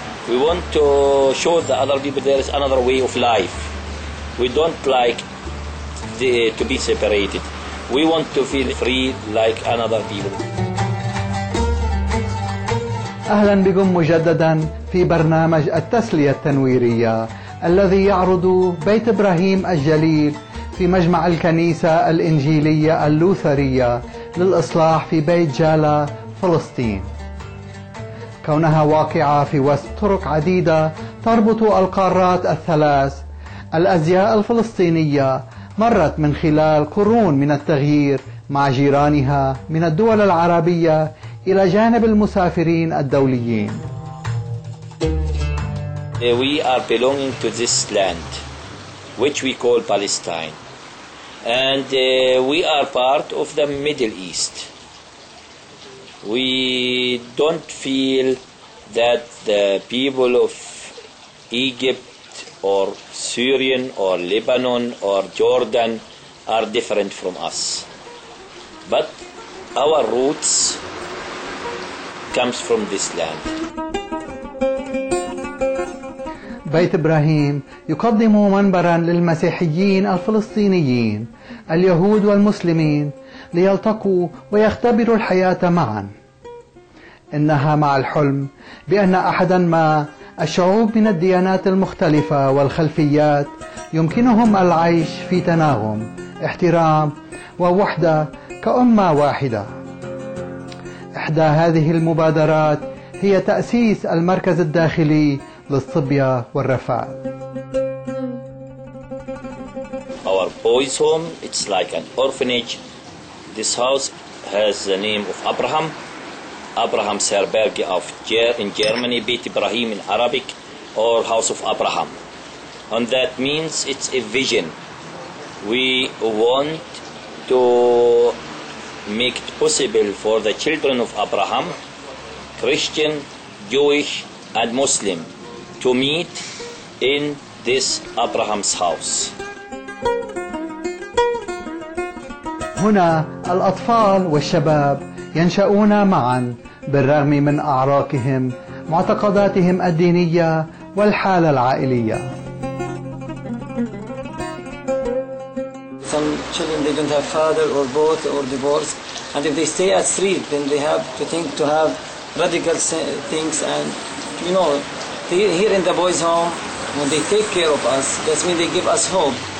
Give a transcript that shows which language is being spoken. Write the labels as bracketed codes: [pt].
[en] We want to show the other people there is another way of life. We don't like to be separated. We want to feel free like another people. [ar] أهلا بكم مجددا في برنامج التسلية التنويرية الذي يعرض بيت إبراهيم الجليل في مجمع الكنيسة الإنجيلية اللوثرية للإصلاح في بيت جالا فلسطين. كونها واقعة في وسط طرق عديدة تربط القارات الثلاث، الأزياء الفلسطينية مرت من خلال قرون من التغيير مع جيرانها من الدول العربية إلى جانب المسافرين الدوليين. [en] We are belonging to this land which we call Palestine. And we are part of the Middle East. We don't feel that the people of Egypt or Syrian or Lebanon or Jordan are different from us. But our roots comes from this land. [ar] بيت إبراهيم يقدم منبرا للمسيحيين الفلسطينيين اليهود والمسلمين ليلتقوا ويختبروا الحياة معا. إنها مع الحلم بأن أحدا ما الشعوب من الديانات المختلفة والخلفيات يمكنهم العيش في تناغم احترام ووحدة كأمة واحدة. إحدى هذه المبادرات هي تأسيس المركز الداخلي للصبية والرفاء. [en] Our boys' home, it's like an orphanage. This house has the name of Abraham. Abraham Serberg of in Germany, Beit Ibrahim in Arabic, or House of Abraham. And that means it's a vision. We want to make it possible for the children of Abraham, Christian, Jewish, and Muslim, to meet in this Abraham's house. [ar] هنا الأطفال والشباب ينشأون معا بالرغم من أعراقهم، معتقداتهم الدينية والحالة العائلية. [en] Some children they don't have father or both or divorce, and if they stay at three, then they have to think to have radical things. And you know, they, here in the boys' home, when they take care of us, that means they give us hope.